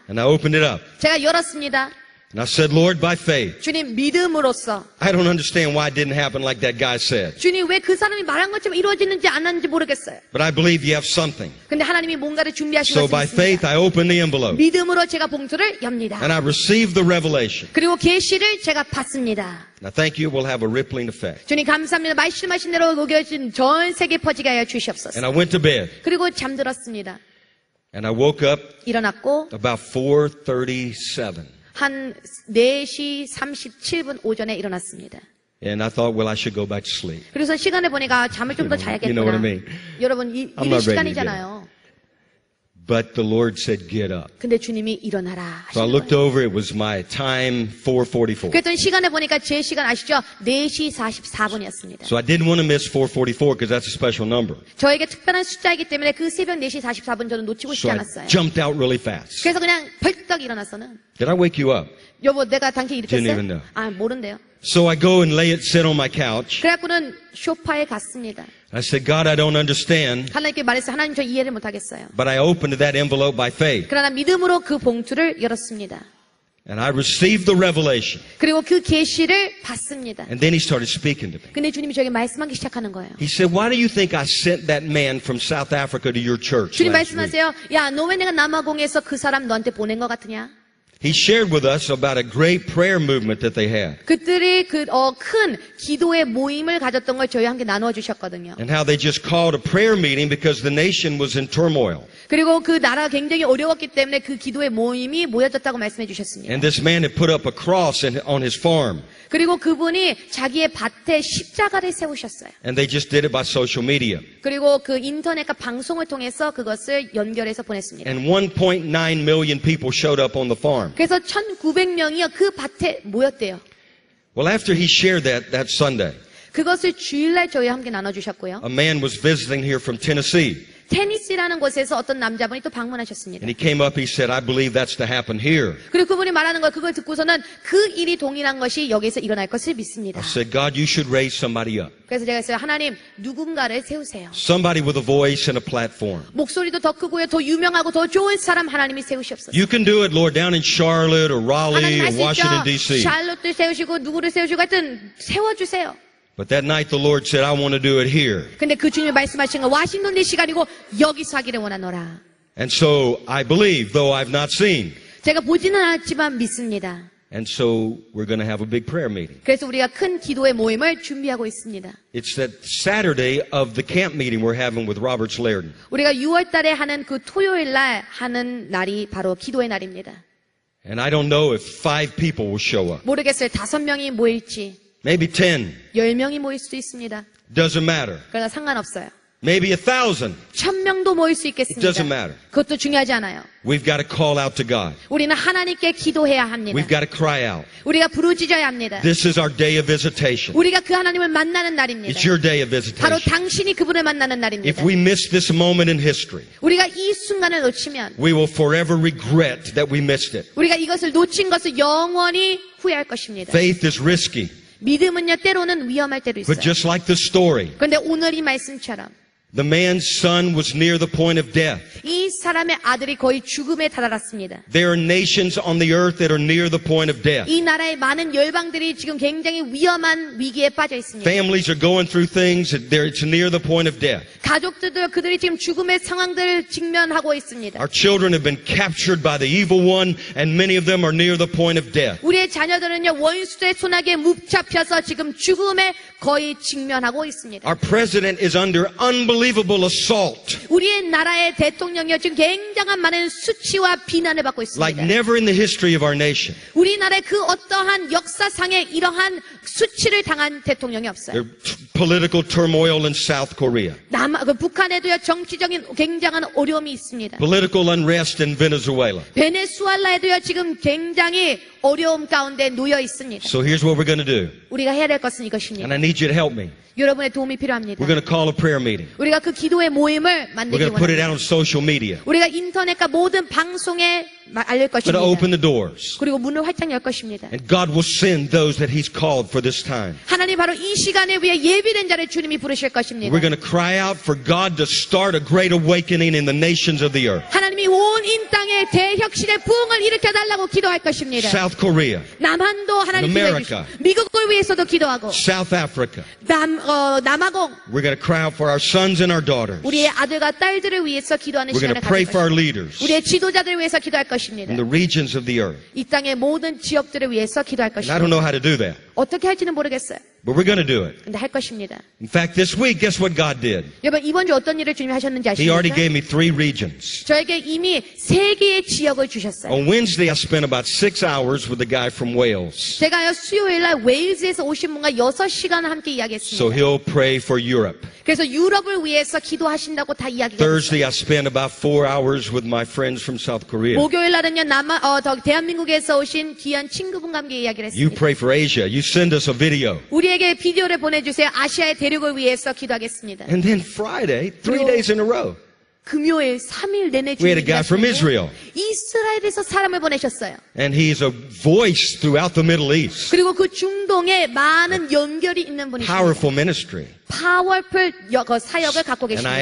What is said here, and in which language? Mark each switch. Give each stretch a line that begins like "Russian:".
English: And I opened it up.
Korean: 제가 열었습니다.
English: And I said, Lord, by faith.
Korean: 주님 믿음으로서.
English: I don't understand why it didn't happen like that guy said.
Korean: 주님 왜 그 사람이 말한 것처럼 이루어지는지 안 하는지 모르겠어요.
English: But I believe you have something.
Korean: 근데 하나님이 뭔가를 준비하신 것 같습니다.
English: So by faith, I opened the envelope.
Korean: 믿음으로 제가 봉투를 엽니다.
English: And I received the revelation.
Korean: 그리고 계시를 제가 받습니다.
English: Now thank you. We'll have a rippling effect.
Korean: 주님 감사합니다. 말씀하신 대로 우겨진 전 세계 퍼지게 하여 주시옵소서.
English: And I went to bed.
Korean: 그리고 잠들었습니다.
English: And I woke up.
Korean: 일어났고.
English: About 4:37.
Korean: 한 4시 37분 오전에 일어났습니다.
English: And I thought, well, I should go back to sleep.
Korean: 그래서 시간을 보니까 잠을 좀 더 자야겠구나.
English: You know what I mean?
Korean: 여러분, 이 시간이잖아요.
English: But the Lord said, get up.
Korean: 근데 주님이 일어나라.
English: So I looked over, it was my time, 4:44.
Korean: 그랬더니 시간에 보니까 제 시간 아시죠? 4시 44분이었습니다.
English: So I didn't want to miss 4:44 because that's a special number.
Korean: 저에게 특별한 숫자이기 때문에 그 새벽 4시 44분 저는 놓치고 싶지 않았어요.
English: So I jumped out really fast.
Korean: 그래서 그냥 벌떡 일어나서는.
English: Did I wake you up?
Korean: 여보, 내가 당신 일으켰어요?
English: Didn't even know.
Korean: 아, 모른대요.
English: So I go and lay it, sit on my couch.
Korean: 그래갖고는 소파에 갔습니다.
English: I said, God, I don't understand.
Korean: 하나님께 말했어요. 하나님 저 이해를 못하겠어요.
English: But I opened that envelope by faith.
Korean: 그러나 믿음으로 그 봉투를 열었습니다.
English: And I received the revelation.
Korean: 그리고 그 계시를 받습니다.
English: And then he started speaking to me.
Korean: 근데 주님이 저에게 말씀하기 시작하는 거예요.
English: He said, Why do you think I sent that man from South Africa to your church?
Korean: 주님 말씀하세요. 야, 너 왜 내가 남아공에서 그 사람 너한테 보낸 것 같으냐?
English: He shared with us about a great prayer movement that they had.
Korean: 그들이 그 큰 기도의 모임을 가졌던 걸 저희와 함께 나누어 주셨거든요.
English: And how they just called a prayer meeting because the nation was in turmoil.
Korean: 그리고 그 나라 굉장히 어려웠기 때문에 그 기도의 모임이 모여졌다고 말씀해 주셨습니다.
English: And this man had put up a cross on his farm.
Korean: 그리고 그분이 자기의 밭에 십자가를 세우셨어요.
English: And they just did it by social media.
Korean: 그리고 그 인터넷과 방송을 통해서 그것을 연결해서 보냈습니다.
English: And 1.9 million people showed up on the farm.
Korean: 그래서 1,900명이요 그 밭에 모였대요.
English: Well, after he shared that Sunday,
Korean: 그것을 주일날 저희와 함께 나눠주셨고요.
English: A man was visiting here from Tennessee.
Korean: 테니시라는 곳에서 어떤 남자분이 또 방문하셨습니다.
English: And he came up, he said, I believe that's to happen here.
Korean: 그리고 그분이 말하는 걸 그걸 듣고서는 그 일이 동일한 것이 여기서 일어날 것을 믿습니다.
English: I said, God, you should raise somebody up.
Korean: 그래서 제가 했어요. 하나님, 누군가를 세우세요.
English: Somebody with a voice and a platform.
Korean: 목소리도 더 크고요, 더 유명하고 더 좋은 사람 하나님이 세우시옵소서.
English: You can do it, Lord, down in Charlotte or Raleigh or Washington D.C.
Korean: 샬롯도 세우시고 누구를 세우시고 하여튼 세워주세요.
English: But that night the Lord said, I want to do it here.
Korean: 근데 그 주님이 말씀하신 거 워싱턴 D.C.가 아니고 여기서 하기를 원하노라.
English: And so I believe, though I've not seen.
Korean: 제가 보지는 않았지만 믿습니다.
English: And so we're going to have a big prayer meeting.
Korean: 그래서 우리가 큰 기도의 모임을 준비하고 있습니다.
English: It's that Saturday of the camp meeting we're having with Robert Laird.
Korean: 우리가 6월 달에 하는 그 토요일 날 하는 날이 바로 기도의 날입니다.
English: And I don't know if 5 people will show up.
Korean: 모르겠어요. 다섯 명이 모일지.
English: Maybe 10.
Korean: 열 명이 모일 수도 있습니다.
English: Doesn't matter.
Korean: 그러나 상관없어요.
English: Maybe 1,000.
Korean: 천 명도 모일 수 있겠습니다.
English: It doesn't matter.
Korean: 그것도 중요하지 않아요.
English: We've got to call out to God.
Korean: 우리는 하나님께 기도해야 합니다.
English: We've got to cry out.
Korean: 우리가 부르짖어야 합니다.
English: This is our day of visitation.
Korean: 우리가 그 하나님을 만나는 날입니다.
English: It's your day of visitation.
Korean: 바로 당신이 그분을 만나는 날입니다.
English: If we miss this moment in history,
Korean: 우리가 이 순간을 놓치면,
English: we will forever regret that we missed it.
Korean: 우리가 이것을 놓친 것을 영원히 후회할 것입니다.
English: Faith is risky.
Korean: 믿음은요 때로는 위험할 때도 있어요.
English: But just like the story,
Korean: 근데 오늘 이 말씀처럼
English: the man's son was near the point of death.
Korean: 이 사람의 아들이 거의 죽음에 다다랐습니다.
English: There are nations on the earth that are near the point of death.
Korean: 이 나라의 많은 열방들이 지금 굉장히 위험한 위기에 빠져 있습니다.
English: Families are going through things that it's near the point of death.
Korean: 가족들도 그들이 지금 죽음의 상황들을 직면하고 있습니다.
English: Our children have been captured by the evil one and many of them are near the point of death.
Korean: 우리의 자녀들은요 원수의 손아귀에 묶잡혀서 지금 죽음에 거의 직면하고 있습니다.
English: Our president is under unbelievable assault.
Korean: 우리의 나라의 대통령이 지금 굉장한 많은 수치와 비난을 받고 있습니다.
English: Like never in the history of our nation.
Korean: 우리나라의 그 어떠한 역사상에 이러한 수치를 당한 대통령이 없어요.
English: Political turmoil in South Korea.
Korean: 북한에도요 정치적인 굉장한 어려움이 있습니다.
English: Political unrest in Venezuela.
Korean: 베네수엘라에도요 지금 굉장히 어려움 가운데 놓여 있습니다.
English: So here's what we're going to do.
Korean: 우리가 해야 될 것은 이것입니다.
English: And I need you to help me.
Korean: 여러분의 도움이 필요합니다.
English: We're going to call a prayer meeting.
Korean: 우리가 그 기도의 모임을 만들기 원합니다.
English: We're going to put it out on social media.
Korean: 우리가 인터넷과 모든 방송에 알릴 것입니다.
English: We're going to open the doors.
Korean: 그리고 문을 활짝 열 것입니다.
English: And God will send those that He's called for this time.
Korean: 하나님 바로 이 시간에 위해 예비된 자를 주님이 부르실 것입니다.
English: We're going to cry out for God to start a great awakening in the nations of the earth.
Korean: 하나님이 온 인 땅에 대혁신의 부흥을 일으켜 달라고 기도할 것입니다.
English: South Korea.
Korean: 남한도 하나님
English: America.
Korean: 미국을 위해서도 기도하고.
English: South Africa.
Korean: 남아공.
English: We're going to cry out for our sons and our daughters.
Korean: 우리의 아들과 딸들을 위해서 기도하는
English: We're
Korean: 시간을 가질 것입니다.
English: We're going to pray for our leaders.
Korean: 우리의 지도자들을 위해서 기도할 것입니다.
English: In the regions of the earth.
Korean: 이 땅의 모든 지역들을 위해서 기도할 것입니다.
English: I don't know how to do that.
Korean: 어떻게 할지는 모르겠어요.
English: But we're going to do it.
Korean: 근데 할 것입니다.
English: In fact, this week, guess what God did?
Korean: 여러분 이번 주 어떤 일을 주님이 하셨는지 아십니까?
English: He already gave me 3 regions.
Korean: 저에게 이미 세 개의 지역을 주셨어요.
English: On Wednesday, I spent about 6 hours with a guy from Wales.
Korean: 제가요 수요일 날 웨일 웨일즈에서 오신 분과 6시간 함께 이야기했습니다.
English: So he'll pray for Europe.
Korean: 그래서 유럽을 위해서 기도하신다고 다 이야기했어요.
English: Thursday I spent about 4 hours with my friends from South Korea.
Korean: 목요일 날은요 대한민국에서 오신 귀한 친구분과 함께 이야기를 했습니다.
English: You pray for Asia. You send us a video.
Korean: 우리에게 비디오를 보내 주세요. 아시아의 대륙을 위해서 기도하겠습니다.
English: And then Friday, 3 days in a row.
Korean: 금요일 3일 내내
English: We had a guy from Israel.
Korean: 이스라엘에서 사람을 보내셨어요.
English: And he is a voice throughout the Middle East.
Korean: 그리고 그 중동에 많은 연결이 있는 분이세요.
English: Powerful ministry.
Korean: 파워풀 사역을 갖고 계십니다.